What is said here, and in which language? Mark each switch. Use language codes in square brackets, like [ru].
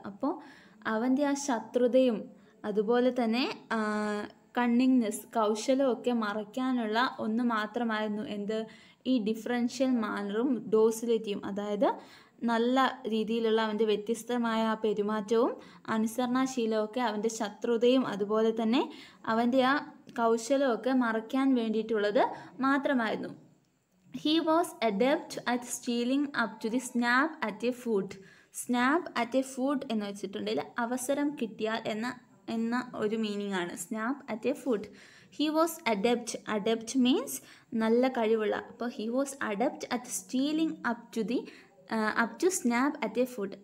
[ml] അപ്പോൾ അവൻ്റെ ആ ശത്രുതയും അതുപോലെ തന്നെ കണ്ണിങ്നെസ് കൗശലവും ഒക്കെ മറയ്ക്കാനുള്ള ഒന്ന് മാത്രമായിരുന്നു എന്ത്, ഈ ഡിഫറൻഷ്യൽ മാനറും ഡോസിലിറ്റിയും, അതായത് നല്ല രീതിയിലുള്ള അവൻ്റെ വ്യത്യസ്തമായ ആ പെരുമാറ്റവും അനുസരണാശീലമൊക്കെ അവൻ്റെ ശത്രുതയും അതുപോലെ തന്നെ അവൻ്റെ ആ കൗശലമൊക്കെ മറയ്ക്കാൻ വേണ്ടിയിട്ടുള്ളത് മാത്രമായിരുന്നു. [en] He was adept at stealing up to the snap at a food. Snap at a food [ml] എന്ന് വെച്ചിട്ടുണ്ടെങ്കിൽ അവസരം കിട്ടിയാൽ എന്ന ഒരു മീനിങ് ആണ് snap at a food. [en] He was adept. Adept means [ml] നല്ല കഴിവുള്ള. അപ്പോൾ [en] He was adept at stealing up to snap at a food.